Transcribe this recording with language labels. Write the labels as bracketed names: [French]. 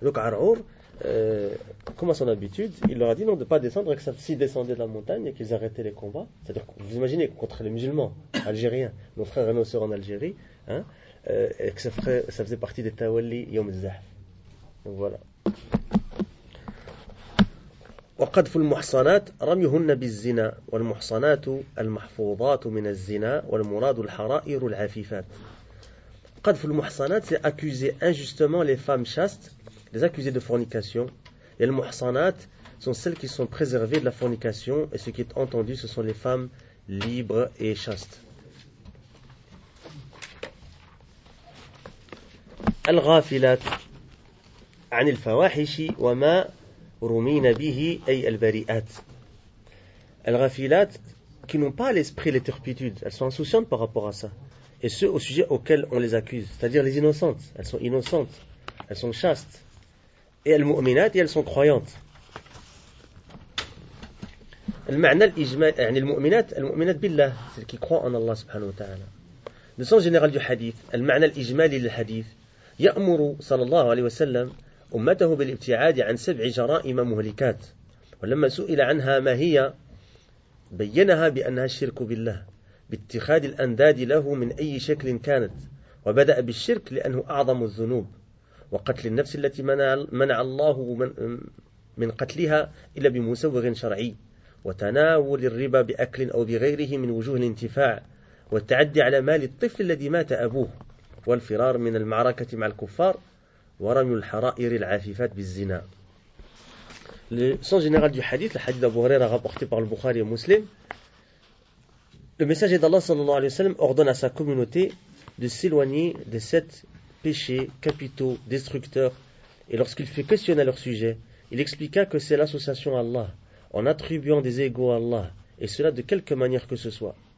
[French] Donc Ar'ur, comme à son habitude, il leur a dit non, de pas descendre, et que s'ils descendaient de la montagne et qu'ils arrêtaient les combats, c'est-à-dire que vous imaginez, contre les musulmans algériens, nos frères et nos sœurs en Algérie, hein, et que ça faisait partie des tawalli yom zahf. Voilà. [Arabic] وقذف المحصنات رميهن بالزنا والمحصنات المحفوظات من الزنا والمراد الحرائر العفيفات. [French] قذف المحصنات, c'est accuser injustement les femmes chastes, les accuser de fornication. Et les محصنات sont celles qui sont préservées de la fornication, et ce qui est entendu ce sont les femmes libres et chastes. [Arabic] الغافلات عن الفواحش وما رمين به أي البريئات. [French] الغافلات qui n'ont pas l'esprit, les turpitudes, elles sont insouciantes par rapport à ça, et ce au sujet auquel on les accuse, c'est-à-dire les innocentes, elles sont innocentes, elles sont chastes, et elles mu'minat, et elles sont croyantes. [Arabic] المعنى الإجمالي يعني المؤمنات المؤمنات بالله, celles qui croient en Allah subhanahu wa ta'ala. Le sens général du hadith, المعنى الإجمالي للحديث, يأمر صلى الله عليه وسلم أمته بالابتعاد عن سبع جرائم مهلكات, ولما سئل عنها ما هي بينها بأنها الشرك بالله باتخاذ الأنداد له من أي شكل كانت, وبدأ بالشرك لأنه أعظم الذنوب, وقتل النفس التي منع الله من قتلها إلا بمسوغ شرعي, وتناول الربا بأكل أو بغيره من وجوه الانتفاع, والتعدي على مال الطفل الذي مات أبوه, والفرار من المعركة مع الكفار, ورمي الحرائر العافيفات بالزنا. [French] Le sens général du hadith, le hadith d'Abu Huraira rapporté par le Bukhari et Muslim, le messager d'Allah sallallahu alayhi wa sallam ordonne à sa communauté de s'éloigner des sept péchés capitaux destructeurs, et lorsqu'il fait question à leur sujet, il expliqua que c'est l'association à Allah, en attribuant des égaux à Allah, et cela de quelque manière que ce soit.